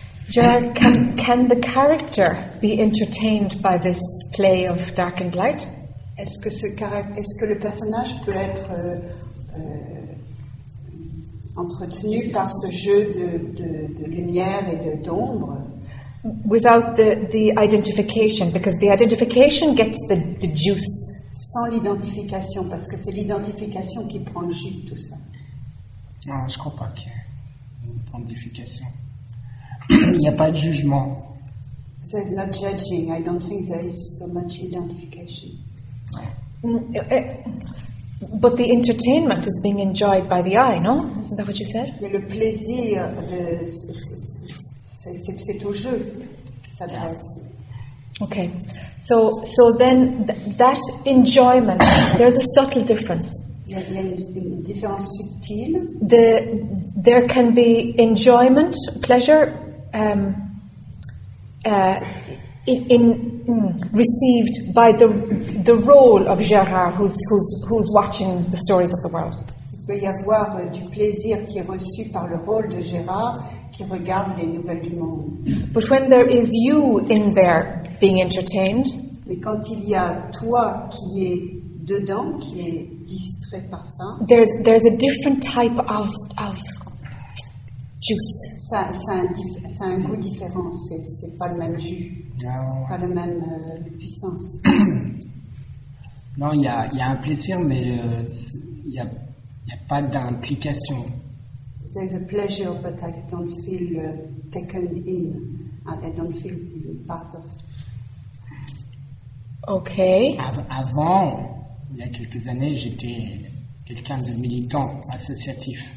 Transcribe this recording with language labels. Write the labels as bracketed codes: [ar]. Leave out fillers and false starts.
[en] Jared, can the character be entertained by this play of dark and light? [fr] Est-ce que le personnage peut être entretenu par ce jeu de lumière et d'ombre. [en] Without the identification, because the identification gets the juice. [fr] Sans l'identification, parce que c'est l'identification qui prend le jus de tout ça. Non, je ne crois pas qu'il y ait une identification. Il n'y a pas de jugement. [en] There's not judging. I don't think there is so much identification. [fr] Ouais. [en] But the entertainment is being enjoyed by the eye, no? Isn't that what you said? [fr] Mais le plaisir de c'est au jeu qui s'adresse. [en] Okay, so then that enjoyment, there's a subtle difference. [fr] Il y a une différence subtile. [en] There can be enjoyment, pleasure, in received by the role of Gérard, who's watching the stories of the world. [fr] Il peut y avoir du plaisir qui est reçu par le rôle de Gérard qui regarde les nouvelles du monde. [en] But when there is you in there being entertained, [fr] mais quand il y a toi qui est dedans, qui est distrait par ça, [en] there's a different type of juice. [fr] Ça a un goût différent. C'est pas le même jus. C'est pas la même puissance. Non, il y a un plaisir, mais il y a pas d'implication. [en] There's a pleasure, but I don't feel taken in. I don't feel part of. Okay. [fr] Avant, il y a quelques années, j'étais quelqu'un de militant, associatif.